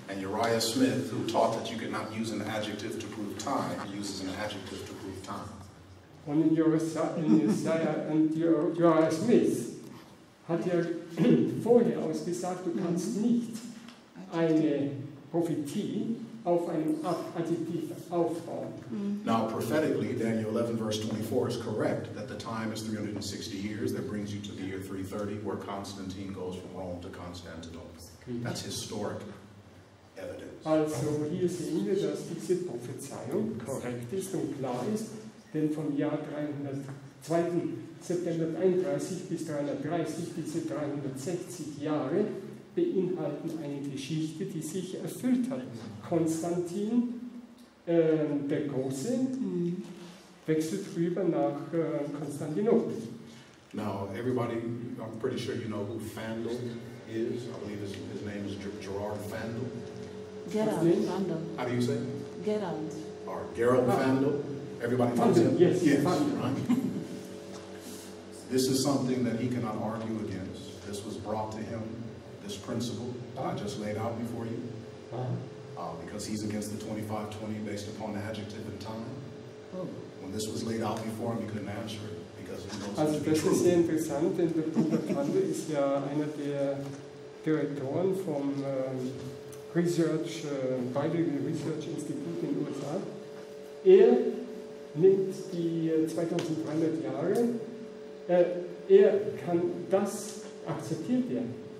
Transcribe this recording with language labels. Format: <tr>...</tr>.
<en>And Uriah Smith, who taught that you could not use an adjective to prove time, uses an adjective to prove time.</en> <de>Und Uriah Smith hat ja vorher ausgesagt, du kannst nicht eine Prophetie auf einem Adjektiv aufbauen.</de> <en>Now, prophetically, Daniel 11, verse 24 is correct, that the time is 360 years, that brings you to the year 330, where Constantine goes from Rome to Constantinople. That's historic evidence.</en> <de>Also, hier sehen wir, dass diese Prophezeiung korrekt ist und klar ist, denn vom Jahr 2. September 31 bis 330, diese 360 Jahre, beinhalten eine Geschichte, die sich erfüllt hat. Konstantin der Große wechselt rüber nach Konstantinopel.</de> <en>Now, everybody, I'm pretty sure you know who Fandel is. I believe his name is Gerard Fandel. Gerald Fandel. How do you say it? Gerald. Or Gerald Fandel. Everybody Fandel, knows him? Yes, yes. Fandel. Right? This is something that he cannot argue against. This was brought to him. This principle that I just laid out before you, because he's against the 25-20 based upon adjective and time. Oh. When this was laid out before him, he couldn't answer it because he knows</en> <de>also</de> <en>it to be true.</en> <de>Also, das ist sehr interessant, denn der Bruder ist ja einer der Direktoren vom Research Bible Research Institute in USA. Er nimmt die 2300 Jahre. Er kann das akzeptiert werden.</de>